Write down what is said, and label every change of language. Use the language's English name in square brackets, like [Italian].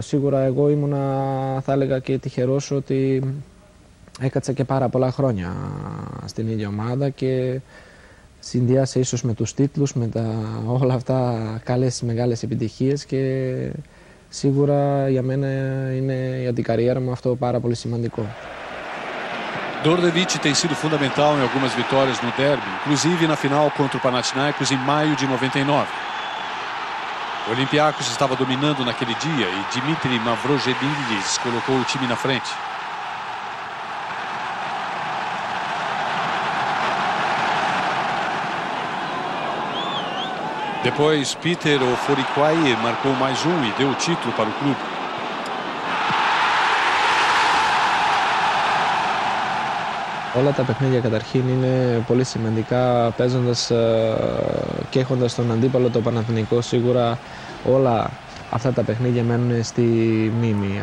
[Greek] Σίγουρα εγώ ήμουνα, θα έλεγα, και τυχερός ότι έκατσα και πάρα πολλά χρόνια στην ίδια ομάδα και συνδυάσα ίσως με τους τίτλους, με τα, όλα αυτά καλές μεγάλες επιτυχίες και σίγουρα για μένα είναι για την καριέρα μου αυτό πάρα πολύ σημαντικό. [Portuguese] Dordevic tem sido fundamental em algumas vitórias no derby, inclusive na final contra o Panathinaikos em maio de 99. O Olympiacos estava dominando naquele dia e Dimitri Mavrojevilis colocou o time na frente. Depois, Peter Ofurikwaye marcou mais um e deu o título para o clube. [Greek] Όλα τα παιχνίδια καταρχήν είναι πολύ σημαντικά παίζοντας και έχοντας τον αντίπαλο το Παναθηναϊκό. Σίγουρα όλα αυτά τα παιχνίδια μένουν στη μνήμη.